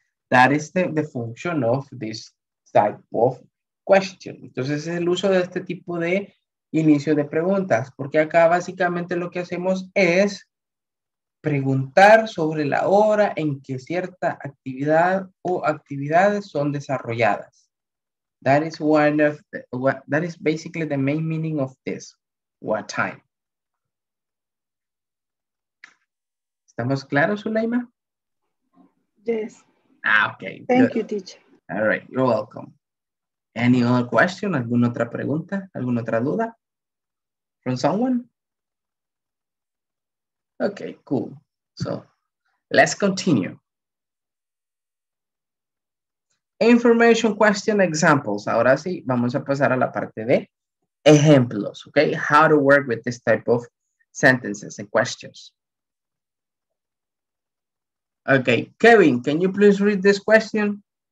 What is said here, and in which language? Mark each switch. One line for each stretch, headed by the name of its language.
English: That is the function of this type of question.
Spanish: Entonces, es el uso de este tipo de inicio de preguntas. Porque acá básicamente lo que hacemos es preguntar sobre la hora en que cierta actividad o actividades son desarrolladas.
English: That is one of the, that is basically the main meaning of this. What time?
Spanish: ¿Estamos claros, Zulaima?
English: Yes. Okay. Thank you, teacher. All right, you're welcome. Any other question?
Spanish: ¿Alguna otra pregunta? ¿Alguna otra duda?
English: From someone? Okay, cool. So, let's continue. Information question examples.
Spanish: Ahora sí, vamos a pasar a la parte de ejemplos, okay?
English: How to work with this type of sentences and questions. Okay, Kevin, can you please read this question?